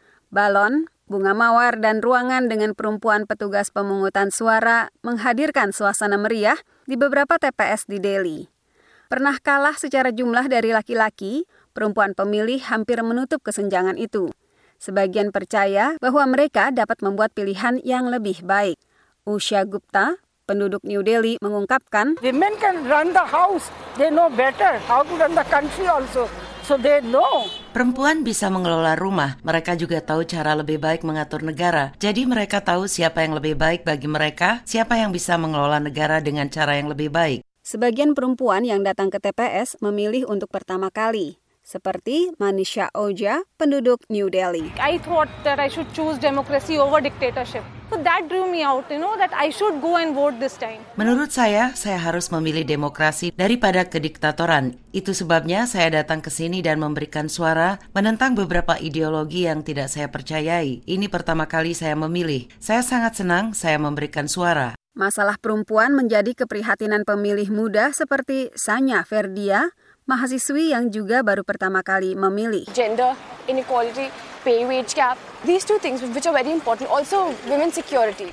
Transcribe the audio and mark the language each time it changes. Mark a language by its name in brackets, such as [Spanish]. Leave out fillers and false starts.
[Indonesian] Balon, bunga mawar, dan ruangan dengan perempuan petugas pemungutan suara menghadirkan suasana meriah di beberapa TPS di Delhi. Pernah kalah secara jumlah dari laki-laki, perempuan pemilih hampir menutup kesenjangan itu. Sebagian percaya bahwa mereka dapat membuat pilihan yang lebih baik. Usha Gupta, penduduk New Delhi, mengungkapkan, [English] "Women can run the house. They know better how to run the country also. So they know." [Indonesian] Perempuan bisa mengelola rumah, mereka juga tahu cara lebih baik mengatur negara. Jadi mereka tahu siapa yang lebih baik bagi mereka, siapa yang bisa mengelola negara dengan cara yang lebih baik. Sebagian perempuan yang datang ke TPS memilih untuk pertama kali, seperti Manisha Oja, penduduk New Delhi. [English] I thought that I should choose democracy over dictatorship. So that drew me out, you know, that I should go and vote this time. [Indonesian] Menurut saya harus memilih demokrasi daripada kediktatoran. Itu sebabnya saya datang ke sini dan memberikan suara menentang beberapa ideologi yang tidak saya percayai. Ini pertama kali saya memilih. Saya sangat senang saya memberikan suara. Masalah perempuan menjadi keprihatinan pemilih muda seperti Sanya Ferdia, mahasiswi yang juga baru pertama kali memilih. [English] Gender inequality, pay wage gap, these two things which are very important, also women security.